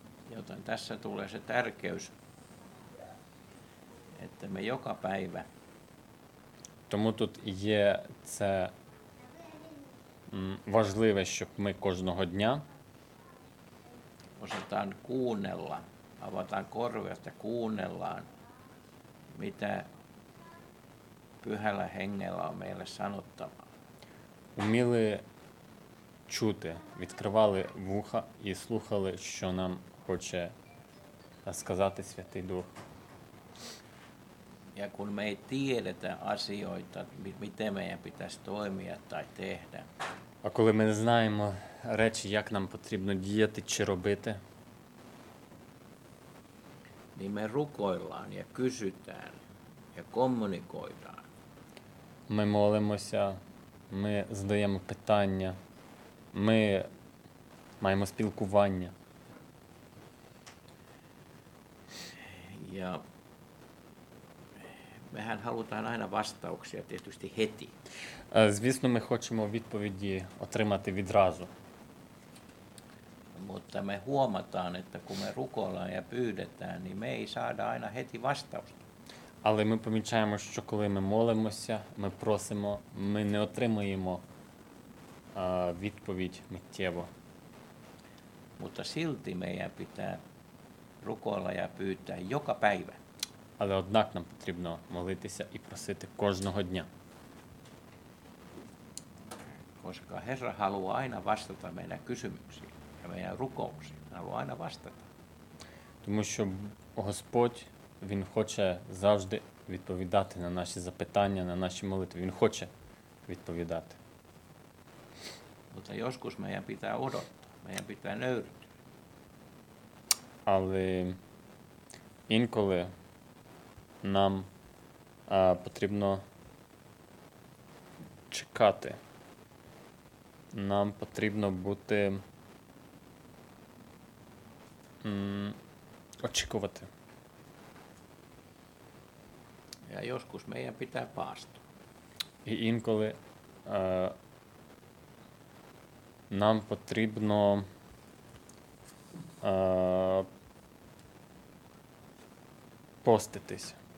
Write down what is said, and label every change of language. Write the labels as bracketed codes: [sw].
[fi] Joten tässä tulee se tärkeys, että me joka päivä. [uk] Тому тут є це важливе, щоб ми кожного дня [fi] osataan kuunnella, avataan korvia, että kuunnellaan, mitä pyhällä hengellä on meille sanottavaa. [uk] Уміли чути, відкривали вуха і слухали, що нам хоче сказати Святий Дух. [fi] Ja kun me ei tiedetä asioita, miten meidän pitäisi toimia tai tehdä. [uk] А коли ми не знаємо речі, як нам потрібно діяти чи робити, [fi] niin me rukoillaan ja kysytään ja kommunikoidaan. [uk] Ми молимося, ми задаємо питання, ми маємо спілкування. [fi] Ja mehän halutaan aina vastauksia tietysti heti. [uk] Звісно, ми хочемо відповіді отримати відразу. [fi] Mutta me huomataan, että kun me rukoillaan ja pyydetään, niin me ei saada aina heti vastausta. [uk] Але ми помічаємо, що коли ми молимося, ми просимо, ми не отримуємо відповідь миттєво. [fi] Mutta silti meidän pitää rukoilla ja pyytää joka päivä. [uk] Але однак нам потрібно молитися і просити кожного дня. [fi] Koska Herra haluaa aina vastata meidän kysymyksiin ja meidän rukouksiin. Hän haluaa aina vastata. [uk] Тому що Господь, Він хоче завжди відповідати на наші запитання, на наші молитви. Він хоче відповідати. [fi] Mutta joskus meidän pitää odottaa, meidän pitää nöyrtyä. [uk] Але інколи нам потрібно чекати. Нам потрібно бути очікувати. [fi] Ja joskus meidän pitää paastua. [uk] І інколи нам потрібно поститись.